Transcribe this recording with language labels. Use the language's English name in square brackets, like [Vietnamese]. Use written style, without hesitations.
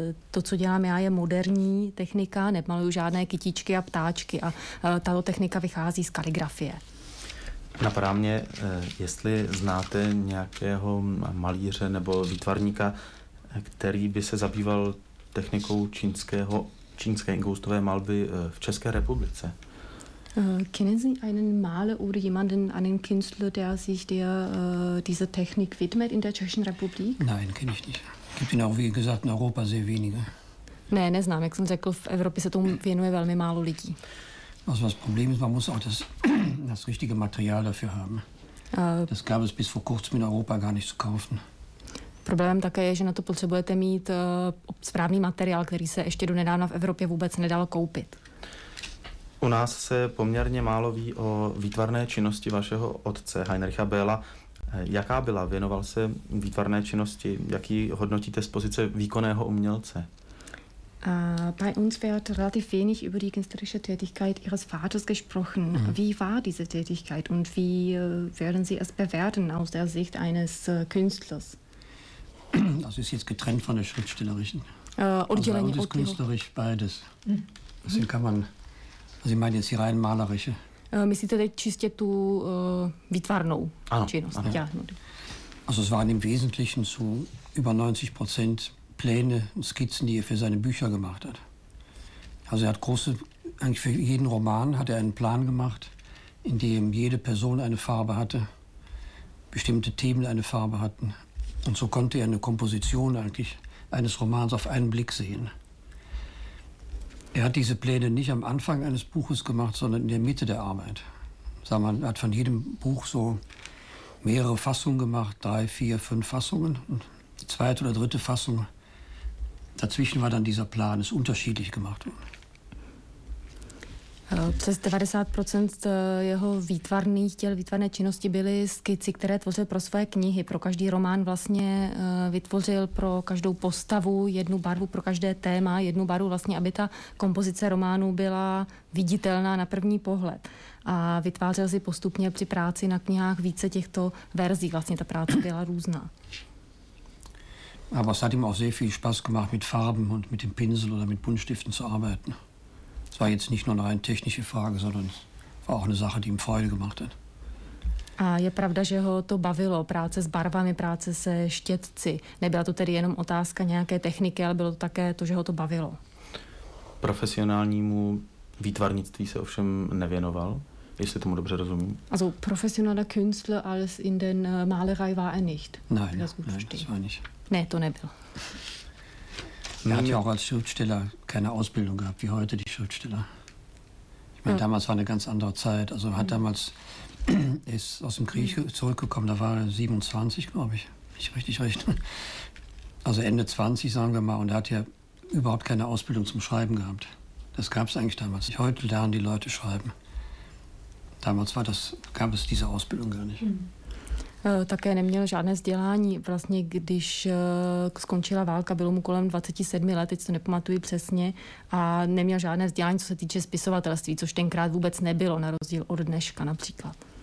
[Czech] To, co dělám já, je moderní technika, nemaluju žádné kytičky a ptáčky a tato technika vychází z kalligrafie. Napadá mě, jestli znáte nějakého malíře nebo výtvarníka, který by se zabýval technikou čínské inkoustové malby v České republice. [German] Kennen Sie einen Maler oder jemanden, einen Künstler, der sich dieser Technik widmet in der Tschechischen Republik? Nein, kenne ich nicht. Gibt ihn auch, wie gesagt, in Europa sehr wenige. [Czech] Ne, neznám, jak jsem řekl, v Evropě se tomu věnuje velmi málo lidí. [German] Also das Problem ist, man muss auch das richtige Material dafür haben. Das gab es bis vor kurzem in Europa gar nicht zu kaufen. [Czech] Problém také je, že na to potřebujete mít správný materiál, který se ještě do nedávna v Evropě vůbec nedal koupit. U nás se poměrně málo ví o výtvarné činnosti vašeho otce Heinricha Béla. Jaká byla? Věnoval se výtvarné činnosti? Jak ji hodnotíte z pozice výkonného umělce? [German] Bei uns wird relativ wenig über die künstlerische Tätigkeit Ihres Vaters gesprochen. Mhm. Wie war diese Tätigkeit und wie würden Sie es bewerten aus der Sicht eines Künstlers? Das ist jetzt getrennt von der schriftstellerischen. Also das ist künstlerisch beides. Mhm. Deswegen kann man, also ich meine jetzt die rein malerische. [Czech] Myslíte teď čistě tu výtvarnou činnost? Ano. [German] Also es waren im Wesentlichen zu über 90% Pläne und Skizzen, die er für seine Bücher gemacht hat. Also er hat große, eigentlich für jeden Roman hat er einen Plan gemacht, in dem jede Person eine Farbe hatte, bestimmte Themen eine Farbe hatten. Und so konnte er eine Komposition eigentlich eines Romans auf einen Blick sehen. Er hat diese Pläne nicht am Anfang eines Buches gemacht, sondern in der Mitte der Arbeit. Sag mal, er hat von jedem Buch so mehrere Fassungen gemacht, 3, 4, 5 Fassungen. Und die zweite oder dritte Fassung, dazwischen war dann dieser Plan, ist unterschiedlich gemacht worden. [Czech] Přes 90% jeho výtvarných děl, výtvarné činnosti byly skici, které tvořil pro svoje knihy. Pro každý román vlastně vytvořil pro každou postavu jednu barvu, pro každé téma jednu barvu, vlastně, aby ta kompozice románu byla viditelná na první pohled. A vytvářel si postupně při práci na knihách více těchto verzí. Vlastně ta práce byla různá. [German] Aber es hat ihm auch sehr viel Spaß gemacht, mit Farben und mit dem Pinsel oder mit Buntstiften zu arbeiten. Es war jetzt nicht nur eine rein technische Frage, sondern es war auch eine Sache, die ihm Freude gemacht hat. [Czech] A je pravda, že ho to bavilo, práce s barvami, práce se štětci. Nebyla to tedy jenom otázka nějaké techniky, ale bylo to také to, že ho to bavilo. Profesionálnímu výtvarnictví se ovšem nevěnoval, jestli tomu dobře rozumím. [German] Also professioneller Künstler als in den Malerei war er nicht. Nein, das war nicht. [Czech] Ne, to nebyl. [German] Er hat ja auch als Schriftsteller keine Ausbildung gehabt, wie heute die Schriftsteller. Ich meine, damals war eine ganz andere Zeit. Also er hat damals, er ist aus dem Krieg zurückgekommen, da war er 27, glaube ich, nicht richtig recht. Also Ende 20, sagen wir mal, und er hat ja überhaupt keine Ausbildung zum Schreiben gehabt. Das gab es eigentlich damals nicht. Heute lernen die Leute schreiben. Damals gab es diese Ausbildung gar nicht. [Czech] Také neměl žádné vzdělání. Vlastně, když skončila válka, bylo mu kolem 27 let, teď to nepamatuji přesně, a neměl žádné vzdělání, co se týče spisovatelství, což tenkrát vůbec nebylo, na rozdíl od dneška například.